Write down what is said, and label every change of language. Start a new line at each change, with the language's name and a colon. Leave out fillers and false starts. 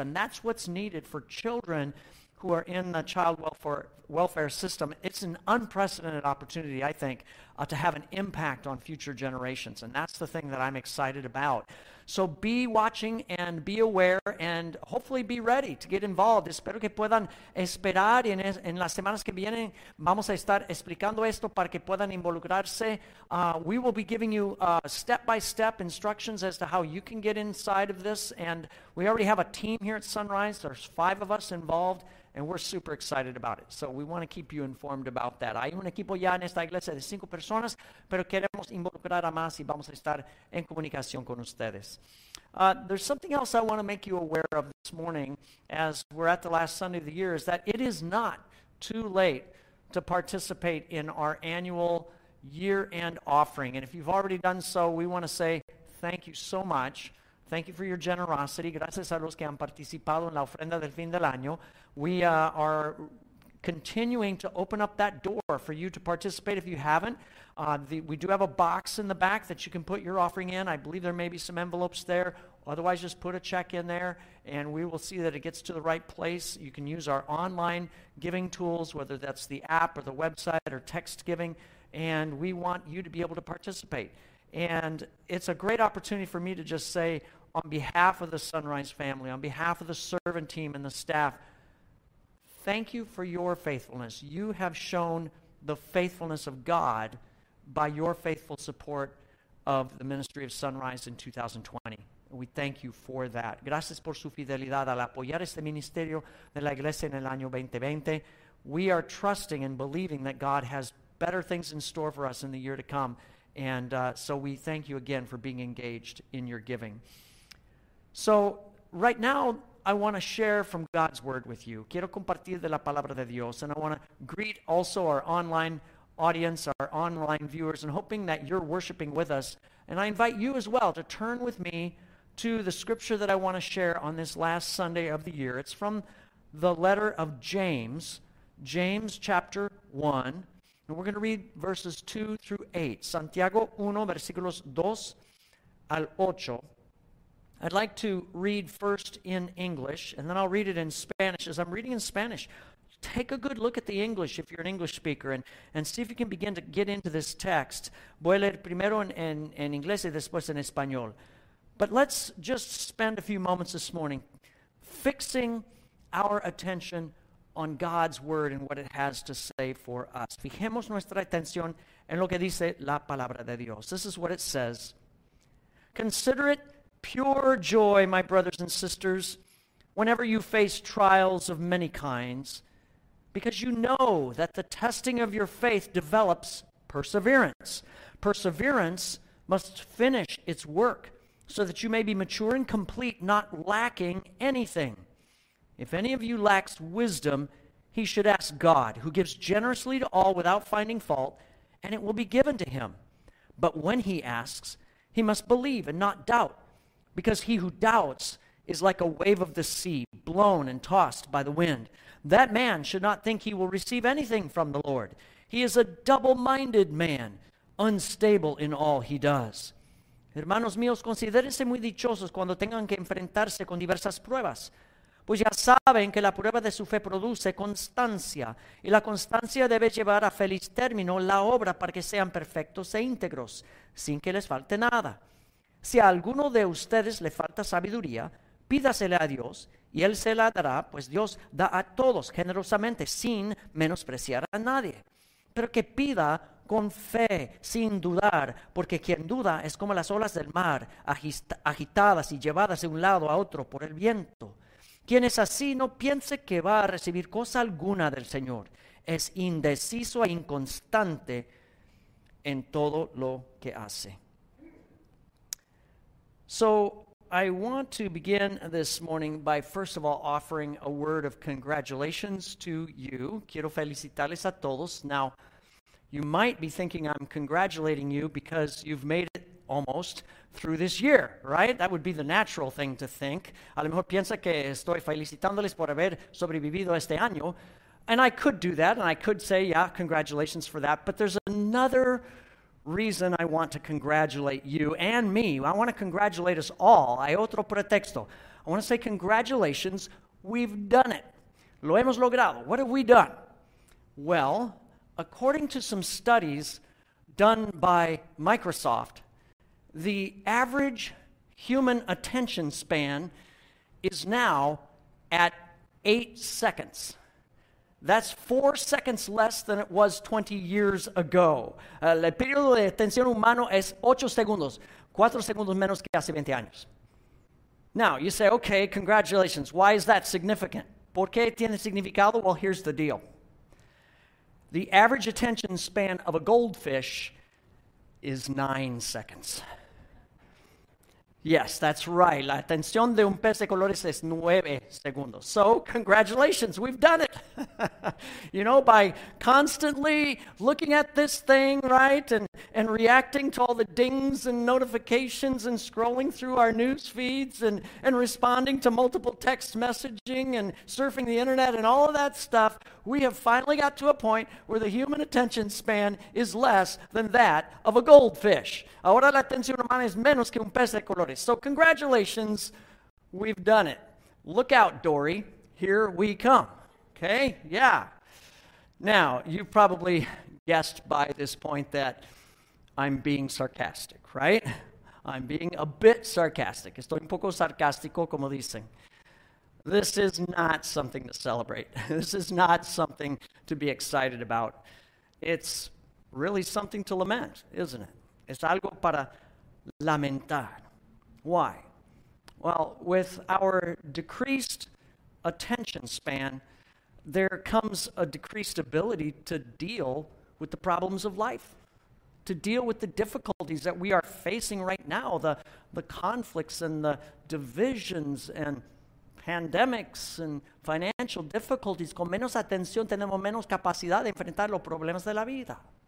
English: And that's what's needed for children who are in the child welfare system. It's an unprecedented opportunity, I think, to have an impact on future generations. And that's the thing that I'm excited about. So be watching and be aware and hopefully be ready to get involved.
Spanish: Espero que puedan esperar y en las semanas que vienen vamos a estar explicando esto para que puedan involucrarse.
English: We will be giving you step-by-step instructions as to how you can get inside of this. And we already have a team here at Sunrise. There's five of us involved, and we're super excited about it. So we want to keep you informed about that.
Spanish: Hay un equipo ya en esta iglesia de cinco personas, pero queremos involucrar a más y vamos a estar en comunicación con ustedes.
English: There's something else I want to make you aware of this morning as we're at the last Sunday of the year, is that it is not too late to participate in our annual year-end offering. And if you've already done so, we want to say thank you so much. Thank you for your generosity.
Spanish: Gracias a los que han participado en la ofrenda del fin del año.
English: We are continuing to open up that door for you to participate if you haven't. We do have a box in the back that you can put your offering in. I believe there may be some envelopes there. Otherwise, just put a check in there, and we will see that it gets to the right place. You can use our online giving tools, whether that's the app or the website or text giving, and we want you to be able to participate. And it's a great opportunity for me to just say, on behalf of the Sunrise family, on behalf of the servant team and the staff, thank you for your faithfulness. You have shown the faithfulness of God by your faithful support of the ministry of Sunrise in 2020. We thank you for that.
Spanish: Gracias por su fidelidad al apoyar este ministerio de la iglesia en el año 2020.
English: We are trusting and believing that God has better things in store for us in the year to come. And so we thank you again for being engaged in your giving. So right now, I want to share from God's word with you.
Spanish: Quiero compartir de la palabra de Dios.
English: And I want to greet also our online audience, our online viewers, and hoping that you're worshiping with us. And I invite you as well to turn with me to the scripture that I want to share on this last Sunday of the year. It's from the letter of James, James chapter 1. And we're going to read verses 2 through 8.
Spanish: Santiago 1, versículos 2 al 8.
English: I'd like to read first in English, and then I'll read it in Spanish. As I'm reading in Spanish, take a good look at the English if you're an English speaker, and see if you can begin to get into this text.
Spanish: Voy a leer primero en inglés y después en español.
English: But let's just spend a few moments this morning fixing our attention on God's word and what it has to say for us.
Spanish: Fijemos nuestra atención en lo que dice la palabra de Dios.
English: This is what it says. Consider it pure joy, my brothers and sisters, whenever you face trials of many kinds, because you know that the testing of your faith develops perseverance. Perseverance must finish its work so that you may be mature and complete, not lacking anything. If any of you lacks wisdom, he should ask God, who gives generously to all without finding fault, and it will be given to him. But when he asks, he must believe and not doubt, because he who doubts is like a wave of the sea, blown and tossed by the wind. That man should not think he will receive anything from the Lord. He is a double-minded man, unstable in all he does.
Spanish: Hermanos míos, considérense muy dichosos cuando tengan que enfrentarse con diversas pruebas, pues ya saben que la prueba de su fe produce constancia, y la constancia debe llevar a feliz término la obra para que sean perfectos e íntegros, sin que les falte nada. Si a alguno de ustedes le falta sabiduría, pídasela a Dios, y Él se la dará, pues Dios da a todos generosamente, sin menospreciar a nadie. Pero que pida con fe, sin dudar, porque quien duda es como las olas del mar, agitadas y llevadas de un lado a otro por el viento. Quien es así no piense que va a recibir cosa alguna del Señor. Es indeciso e inconstante en todo lo que hace.
English: So, I want to begin this morning by first of all offering a word of congratulations to you.
Spanish: Quiero felicitarles a todos.
English: Now, you might be thinking I'm congratulating you because you've made it almost through this year, right? That would be the natural thing to think.
Spanish: A lo mejor piensa que estoy felicitándoles por haber sobrevivido este año.
English: And I could do that, and I could say, yeah, congratulations for that. But there's another reason I want to congratulate you and me. I want to congratulate us all.
Spanish: Hay otro pretexto.
English: I want to say congratulations. We've done it.
Spanish: Lo hemos logrado.
English: What have we done? Well, according to some studies done by Microsoft, the average human attention span is now at 8 seconds. That's 4 seconds less than it was 20 years ago.
Spanish: El periodo de atención humano es 8 segundos, 4 segundos menos que hace 20 años.
English: Now, you say, okay, congratulations. Why is that significant?
Spanish: ¿Por qué tiene significado?
English: Well, here's the deal. The average attention span of a goldfish is 9 seconds. Yes, that's right.
Spanish: La atención de un pez de colores es 9 segundos.
English: So, congratulations, we've done it. You know, by constantly looking at this thing, right, and reacting to all the dings and notifications and scrolling through our news feeds and responding to multiple text messaging and surfing the internet and all of that stuff, we have finally got to a point where the human attention span is less than that of a goldfish.
Spanish: Ahora la atención humana es menos que un pez de colores.
English: So congratulations, we've done it. Look out, Dory, here we come. Okay, yeah. Now, you've probably guessed by this point that I'm being sarcastic, right? I'm being a bit sarcastic.
Spanish: Estoy un poco sarcástico, como dicen.
English: This is not something to celebrate. This is not something to be excited about. It's really something to lament, isn't it?
Spanish: Es algo para lamentar.
English: Why? Well, with our decreased attention span, there comes a decreased ability to deal with the problems of life, to deal with the difficulties that we are facing right now, the conflicts and the divisions and pandemics and financial difficulties.
Spanish: Con menos atención tenemos menos capacidad de enfrentar los problemas de la vida.